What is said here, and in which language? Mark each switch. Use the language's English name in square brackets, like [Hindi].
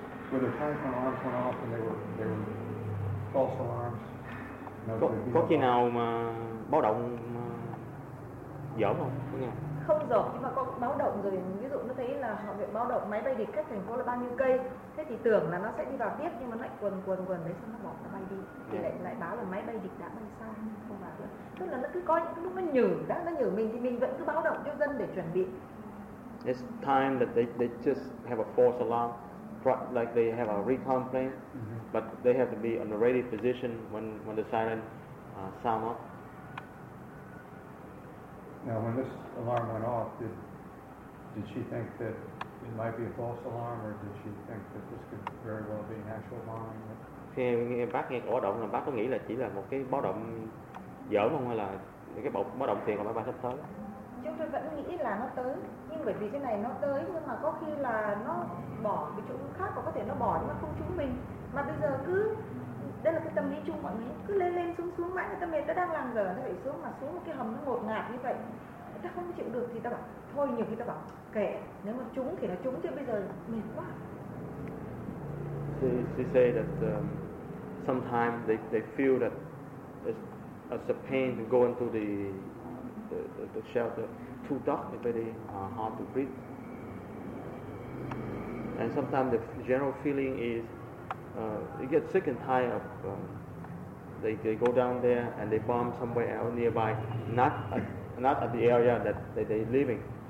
[English] Were the time when alarms went off and they were false alarms? [Vietnamese] Có khi nào mà báo động dở không? Không dở, nhưng mà có báo động rồi. Ví dụ nó thấy là họ bị báo động máy bay địch cách thành phố là bao nhiêu cây, thế thì tưởng là nó sẽ đi vào tiếp, nhưng mà nó lại quần đấy, xong nó bỏ nó bay đi, thì lại báo là máy bay địch đã bay xa, không vào được. Tức là nó cứ có những lúc nó nhử mình thì mình vẫn cứ báo động cho dân để chuẩn bị. [English] It's time that they just have a false alarm. Like they have a recon plane, mm-hmm. But they have to be on the ready position when the siren sound off. Now, when this alarm went off, did she think that it might be a false alarm, or did she think that this could very well be an actual bomb? [Vietnamese] Khi nghe bác nghe báo động, bác có nghĩ là chỉ là một cái báo động dở không, hay là cái báo động tiền của máy bay sắp tới? Chúng tôi vẫn nghĩ là nó tới, nhưng bởi vì cái này nó tới, nhưng mà có khi là nó bỏ cái chỗ khác, có thể nó bỏ nhưng mà không trúng mình. Mà bây giờ cứ, đây là cái tâm lý chung mọi người, cứ lên xuống mãi, người ta mệt, ta đang làm giờ, nó phải xuống, mà xuống một cái hầm nó ngột ngạt như vậy, người ta không chịu được thì ta bảo, thôi nhiều khi ta bảo, kệ, nếu mà trúng thì nó trúng, chứ bây giờ mệt quá. [English] She said that sometimes they feel that it's a pain to go into the shelter, too dark, very hard to breathe. And sometimes the general feeling is you get sick and tired of they go down there and they bomb somewhere else nearby, not at the area that they living.